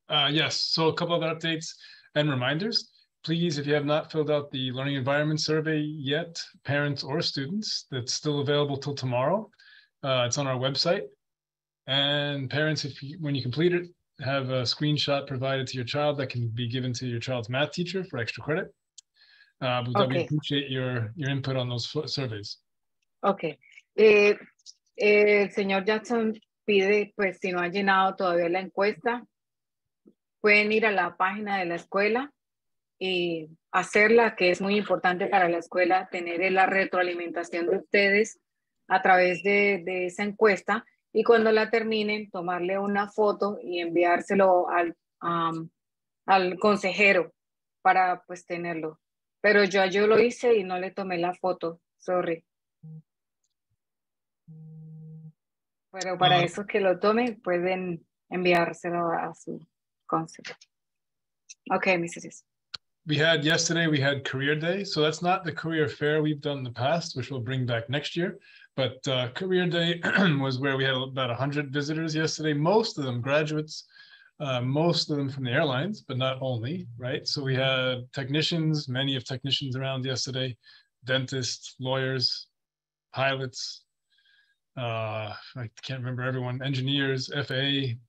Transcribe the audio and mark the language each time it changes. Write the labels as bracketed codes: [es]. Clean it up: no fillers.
[en] Yes, so a couple of updates and reminders. Please, if you have not filled out the learning environment survey yet, parents or students, that's still available till tomorrow. It's on our website. And parents, when you complete it, have a screenshot provided to your child that can be given to your child's math teacher for extra credit. But okay. We appreciate your input on those surveys. Okay. [es] El señor Jackson pide, pues, si no ha llenado todavía la encuesta, pueden ir a la página de la escuela. Y hacerla, que es muy importante para la escuela, tener la retroalimentación de ustedes a través de esa encuesta. Y cuando la terminen, tomarle una foto y enviárselo al consejero para pues tenerlo. Pero yo lo hice y no le tomé la foto. Sorry. Pero para eso que lo tomen, pueden enviárselo a su consejero. [en] Okay, Mrs. We had career day. So that's not the career fair we've done in the past, which we'll bring back next year. But career day was where we had about 100 visitors yesterday, most of them graduates, most of them from the airlines, but not only, right? So we had technicians, many of technicians around yesterday, dentists, lawyers, pilots, I can't remember everyone, engineers, FAA.